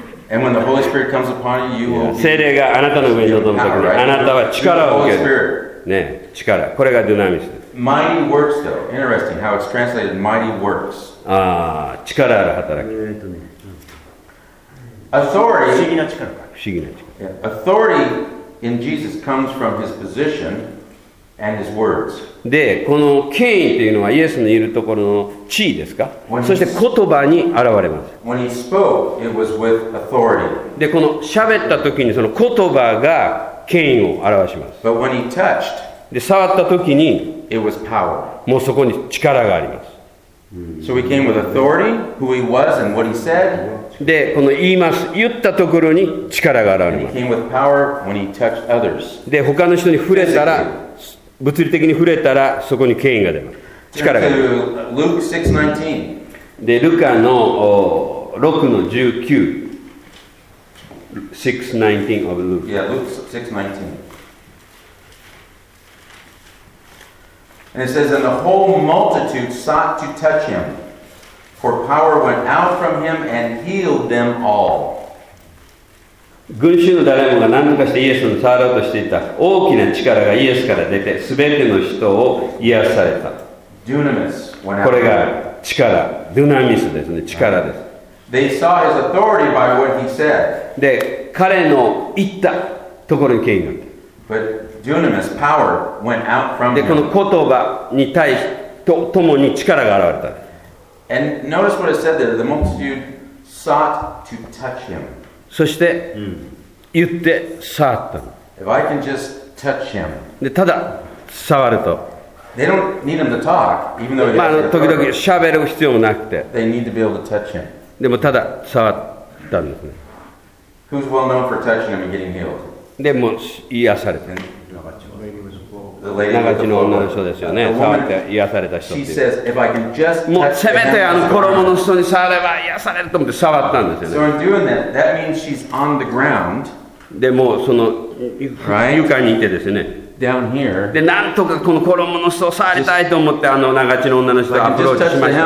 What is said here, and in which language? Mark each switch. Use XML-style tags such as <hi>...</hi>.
<en>And when the Holy Spirit comes upon you, you will be.</en> <ja>聖霊があなたの上に臨むときに、あなたは力を受ける。ね、力。これがドゥナミス。</ja> <en>Mighty works, though. Interesting how it's translated. Mighty works.</en> <ja>ああ、力ある働き。</ja> <en>Authority.</en> <ja>不思議な力。不思議な力。</ja> <en>Authority in Jesus comes from his position. And his words.</en> <ja>で、この権威というのはイエスのいるところの地位ですか？そして言葉に現れます。</ja> <en>When he spoke, it was with authority.</en> <ja>で、この喋った時にその言葉が権威を表します。</ja> <en>But when he touched,</en> <ja>で、触った時に</ja> <en>it was power.</en> <ja>もうそこに力があります。</ja> <en>So he came with authority, who he was and what he said.</en> <ja>で、この言います、言ったところに力が現れます。</ja> <en>He came with power when he touched others.</en> <ja>で、他の人に触れたら物理的に触れたらそこに権威が出ます。力が出ます。ルカの6の19</ja> <en>6:19 of Luke. Yeah, Luke 6:19. And it says, and the whole multitude sought to touch him, for power went out from him and healed them all.</en> <ja>群衆の誰もが何とかしてイエスに触ろうとしていた。大きな力がイエスから出て全ての人を癒された。これが力、ドゥナミスですね、力です。</ja> <en>They saw his authority by what he said.</en> <ja>で、彼の言ったところに権威があった。</ja> <en>But dunamis, power, went out from him.</en> <ja>で、この言葉に対してともに力が現れた。</ja> <en>And notice what it said there, the multitude sought to touch him.</en> <ja>そして、言って触ったの。</ja> <en>If I can just touch him.</en> <ja>で、ただ触ると。</ja> <en>They don't need him to talk, even though</en> <ja>まあ、時々喋る必要もなくて。</ja> <en>They need to be able to touch him.</en> <ja>でも、ただ触ったんですね。</ja> <en>Who's well known for touching him and getting healed?</en> <ja>でも、癒されて。長地の女の人ですよね。触って癒された人っていう。</ja> <en>She says, if I can just</en> <ja>もうせめてあの衣の人に触れば癒されると思って触ったんですよね。</ja> <en>So in doing that, that means she's on the ground.</en> <ja>でもその床にいてですね。</ja> <en>Down here.</en> <ja>でなんとかこの衣の人を触りたいと思ってあの長地の女の人をアプローチしました。</ja>